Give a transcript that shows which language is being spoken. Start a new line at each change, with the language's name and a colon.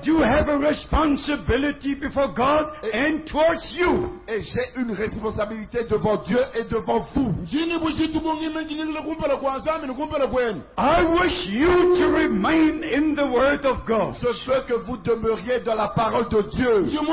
English: do have a responsibility before God and towards you.
French: Et j'ai une responsabilité devant Dieu et devant vous.
English: I wish you to remain in the word of God.
French: Je veux que vous demeuriez dans la parole de Dieu.